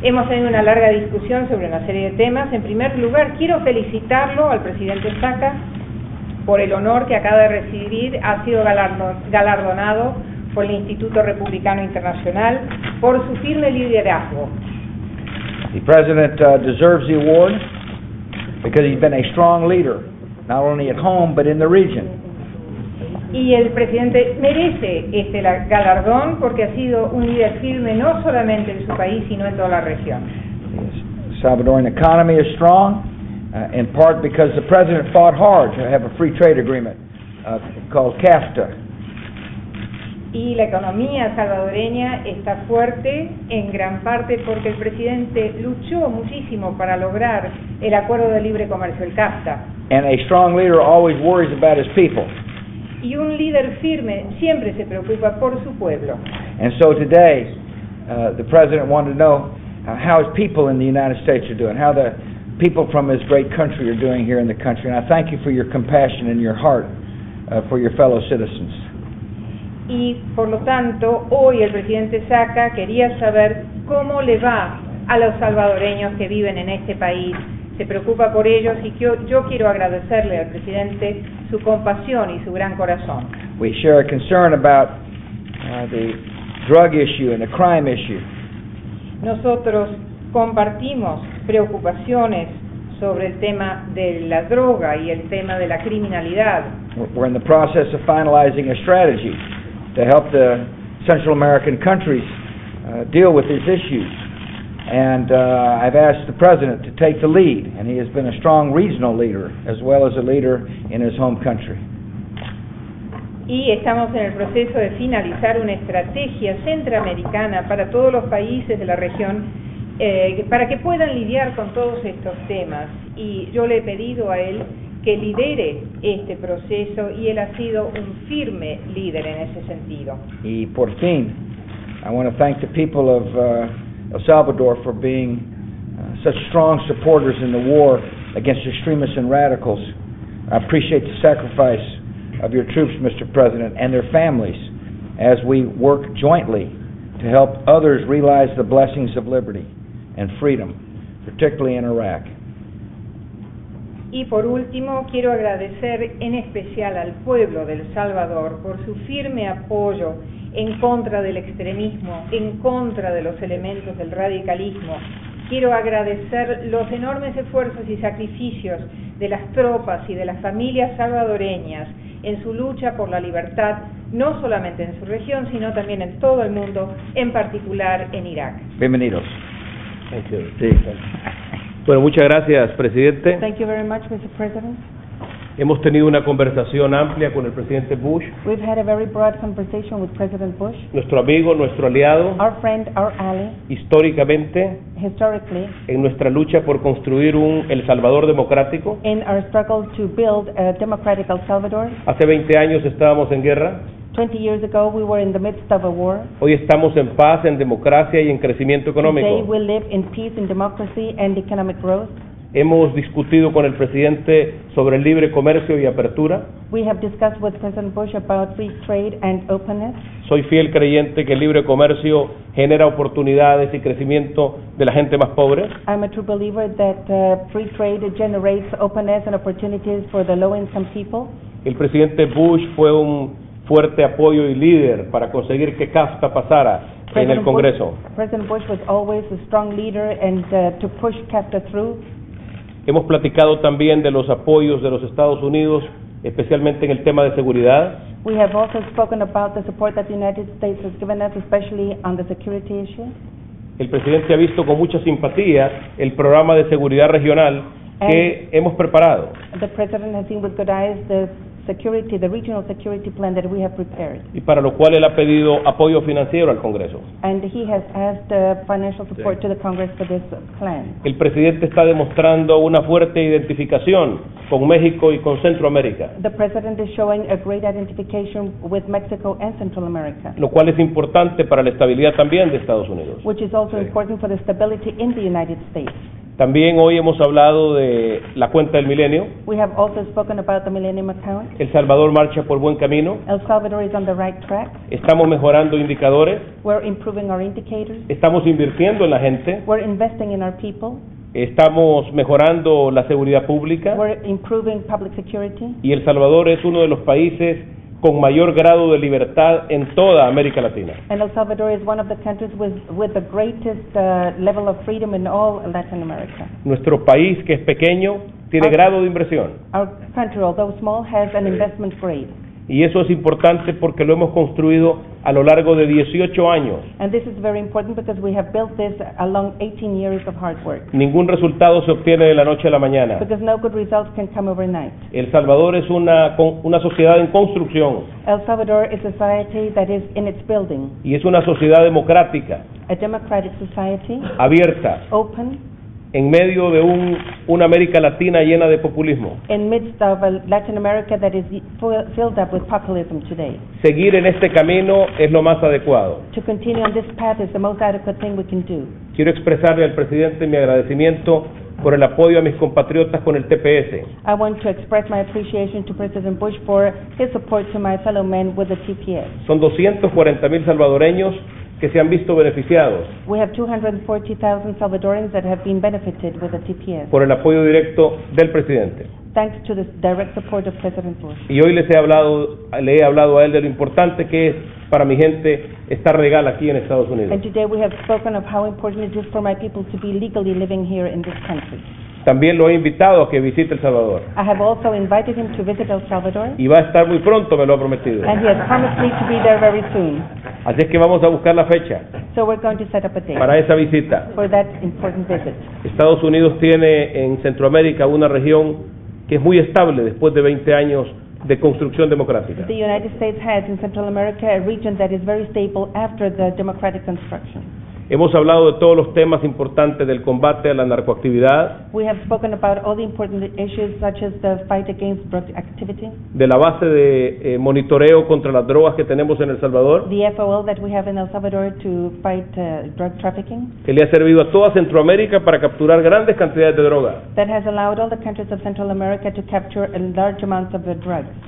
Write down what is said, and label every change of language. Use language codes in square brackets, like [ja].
[es] Hemos tenido una larga discusión sobre una serie de temas. En primer lugar, quiero felicitarlo al presidente Saca por el honor que acaba de recibir. Ha sido galardonado por el Instituto Republicano Internacional por su firme liderazgo. [en] The president deserves the award because he's been a strong leader, not only at home but in the region. [es] Y el presidente merece este galardón porque ha sido un líder firme no solamente en su país sino en toda la región. [en] The Salvadoran economy is strong, in part because the president fought hard to have a free trade agreement called CAFTA. [es] Y la economía salvadoreña está fuerte en gran parte porque el presidente luchó muchísimo para lograr el acuerdo de libre comercio, el CAFTA. [en] And a strong leader always worries about his people. [es] Y un líder firme siempre se preocupa por su pueblo. [en] And so today, the president wanted to know how his people in the United States are doing, how the people from his great country are doing here in the country. And I thank you for your compassion and your heart for your fellow citizens. [es] Y por lo tanto, hoy el presidente Saca quería saber cómo le va a los salvadoreños que viven en este país. Se preocupa por ellos y yo quiero agradecerle al presidente su compasión y su gran corazón. [en] We share a concern about the drug issue and the crime issue. [es] Nosotros compartimos preocupaciones sobre el tema de la droga y el tema de la criminalidad. [en] We're in the process of finalizing a strategy to help the Central American countries deal with these issues. And I've asked the president to take the lead, and he has been a strong regional leader as well as a leader in his home country. [es] Y estamos en el proceso de finalizar una estrategia centroamericana para todos los países de la región para que puedan lidiar con todos estos temas. Y yo le he pedido a él que lidere este proceso, y él ha sido un firme líder en ese sentido. Y por fin, [en] I want to thank the people of El Salvador for being such strong supporters in the war against extremists and radicals. I appreciate the sacrifice of your troops, Mr. President, and their families as we work jointly to help others realize the blessings of liberty and freedom, particularly in Iraq. [es] Y por último, quiero agradecer en especial al pueblo de El Salvador por su firme apoyo en contra del extremismo, en contra de los elementos del radicalismo. Quiero agradecer los enormes esfuerzos y sacrificios de las tropas y de las familias salvadoreñas en su lucha por la libertad, no solamente en su región, sino también en todo el mundo, en particular en Irak. Bienvenidos. [en] Thank you. [es] Sí. Bueno, muchas gracias, presidente. [en] Thank you very much, Mr. President. [es] Hemos tenido una conversación amplia con el presidente Bush. [en] We've had a very broad conversation with President Bush. [es] Nuestro amigo, nuestro aliado. [en] Our friend, our ally. [es] Históricamente. [en] Historically. [es] En nuestra lucha por construir un El Salvador democrático. [en] In our struggle to build a democratic El Salvador. [es] Hace 20 años estábamos en guerra. [en] 20 years ago we were in the midst of a war. [es] Hoy estamos en paz, en democracia y en crecimiento económico. [en] Today we live in peace, in democracy and economic growth. [es] Hemos discutido con el presidente sobre el libre comercio y apertura. [en] We have discussed with President Bush about free trade and openness. [es] Soy fiel creyente que el libre comercio genera oportunidades y crecimiento de la gente más pobre. [en] I'm a true believer that free trade generates openness and opportunities for the low-income people. [es] El presidente Bush fue un fuerte apoyo y líder para conseguir que CAFTA pasara en el Congreso. [en] President Bush was always a strong leader and to push CAFTA through. [es] Hemos platicado también de los apoyos de los Estados Unidos, especialmente en el tema de seguridad. [en] We have also spoken about the support that the United States has given us, especially on the security issue. [es] El presidente ha visto con mucha simpatía el programa de seguridad regional que [en] and [es] hemos preparado. [en] The president has seen with good eyes the security, the regional security plan that we have prepared. [es] Y para lo cual él ha pedido apoyo financiero al Congreso. [en] And he has asked financial support to the Congress for this plan. [es] El presidente está demostrando una fuerte identificación con México y con Centroamérica. [en] The president is showing a great identification with Mexico and Central America. [es] Lo cual es importante para la estabilidad también de Estados Unidos. [en] Which is also important for the stability in the United States. [es] También hoy hemos hablado de la cuenta del milenio. [en] We have also spoken about the millennium account. [es] El Salvador marcha por buen camino. [en] El Salvador is on the right track. [es] Estamos mejorando indicadores. [en] We're improving our indicators. [es] Estamos invirtiendo en la gente. [en] We're investing in our people. [es] Estamos mejorando la seguridad pública. [en] We're improving public security. [es] Y El Salvador es uno de los países con mayor grado de libertad en toda América Latina. [en] And El Salvador is one of the countries with the greatest level of freedom in all Latin America. [es] Nuestro país, que es pequeño, tiene grado de inversión. [en] Our country, although small, has an investment grade. [es] Y eso es importante porque lo hemos construido a lo largo de 18 años. [en] And this is very important because we have built this along 18 years of hard work. [es] Ningún resultado se obtiene de la noche a la mañana. [en] Because no good results can come overnight. [es] El Salvador es una sociedad en construcción. [en] El Salvador is a society that is in its building. [es] Y es una sociedad democrática. [en] A democratic society. [es] Abierta. [en] Open. [es] En medio de una América Latina llena de populismo. [en] In midst of a Latin America that is filled up with populism today. [es] Seguir en este camino es lo más adecuado. [en] To continue on this path is the most adequate thing we can do. [es] Quiero expresarle al presidente mi agradecimiento por el apoyo a mis compatriotas con el TPS. [en] I want to express my appreciation to President Bush for his support to my fellow men with the TPS. [es] Son 240,000 salvadoreños que se han visto beneficiados. [en] We have 240,000 Salvadorians that have been benefited with the TPS. [es] Por el apoyo directo del presidente. [en] Thanks to the direct support of President Bush. [es] Y hoy le he hablado a él de lo importante que es para mi gente estar legal aquí en Estados Unidos. [en] And today we have spoken of how important it is for my people to be legally living here in this country. [es] También lo he invitado a que visite El Salvador. [en] I have also invited him to visit El Salvador. [es] Y va a estar muy pronto, me lo ha prometido. [en] And he has promised me to be there very soon. [es] Así es que vamos a buscar la fecha. [en] So we're going to set up a date. [es] Para esa visita. [en] For that important visit. [es] Estados Unidos tiene en Centroamérica una región que es muy estable después de 20 años de construcción democrática. [en] The United States has in Central America a region that is very stable after the democratic construction. [es] Hemos hablado de todos los temas importantes del combate a la narcoactividad. [en] We have spoken about all the important issues such as the fight against drug activity. [es] De la base de monitoreo contra las drogas que tenemos en El Salvador. [en] The FOL that we have in El Salvador to fight drug trafficking. [es] Que le ha servido a toda Centroamérica para capturar grandes cantidades de drogas. [en] That has allowed all the countries of Central America to capture a large amount of the drugs.